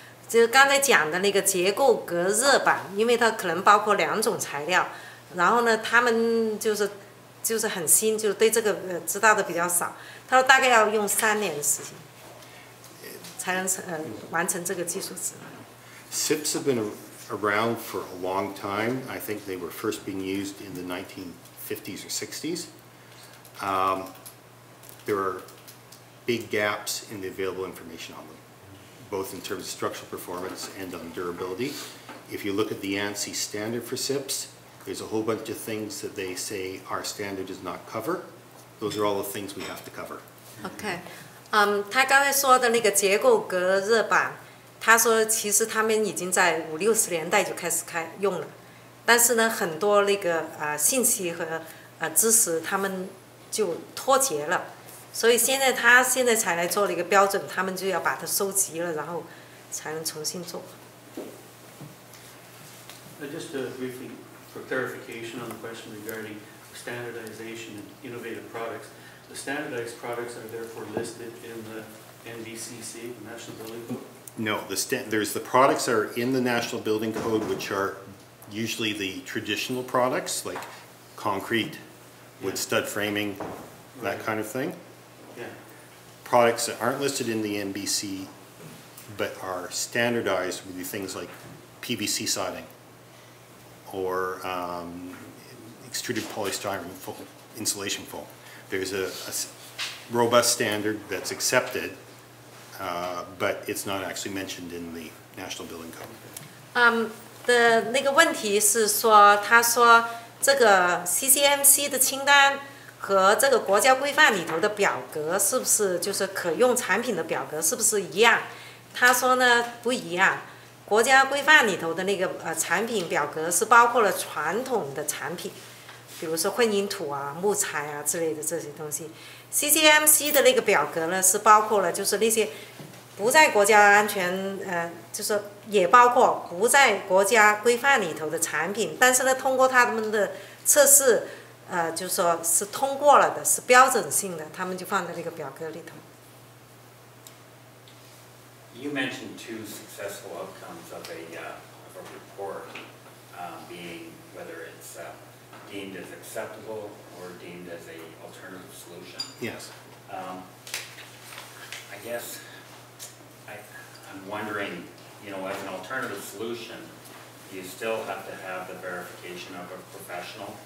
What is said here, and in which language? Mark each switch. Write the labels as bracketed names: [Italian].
[Chinese] 就刚才讲的那个结构隔热板，因为它可能包括两种材料，然后呢他们就是很新，就对这个知道的比较少。他说大概要用三年的时间才能完成这个技术指南。 [English] SIPs have been around for a long time. I think they were first being used in the 1950s or 60s. There are big gaps in the available information on them, both in terms of structural performance and on durability. If you look at the ANSI standard for SIPs, there's a whole bunch of things that they say our standard does not cover. Those are all the things we have to cover. Okay. [Chinese] 他刚才说的那个结构隔热板，他说其实他们已经在五六十年代就开始开用了，但是呢很多那个信息和知识他们就脱节了，所以他现在才来做了一个标准，他们就要把它收集了，然后才能重新做。 [English] Just briefly for clarification on the question regarding standardization and innovative products. The standardized products are therefore listed in the NBCC, the National Building Code? No, the products are in the National Building Code, which are usually the traditional products, like concrete, wood stud framing, that kind of thing. Yeah. Products that aren't listed in the NBC, but are standardized would be things like PVC siding, or extruded polystyrene foam, insulation foam. There's a robust standard that's accepted, but it's not actually mentioned in the National Building Code. [Chinese] 的那个问题是说，他说这个 CCMC 的清单和这个国家规范里头的表格是不是就是可用产品的表格是不是一样？他说呢，不一样。国家规范里头的那个产品表格是包括了传统的产品。比如说混凝土啊、木材啊之类的这些东西 ，CCMC 的那个表格呢是包括了，就是那些不在国家安全就是也包括不在国家规范里头的产品，但是呢，通过他们的测试，就是说是通过了的，是标准性的，他们就放在那个表格里头。 [English] You mentioned two successful outcomes of a report being whether it's deemed as acceptable or deemed as an alternative solution. Yes. I guess I'm wondering, you know, as an alternative solution, do you still have to have the verification of a professional?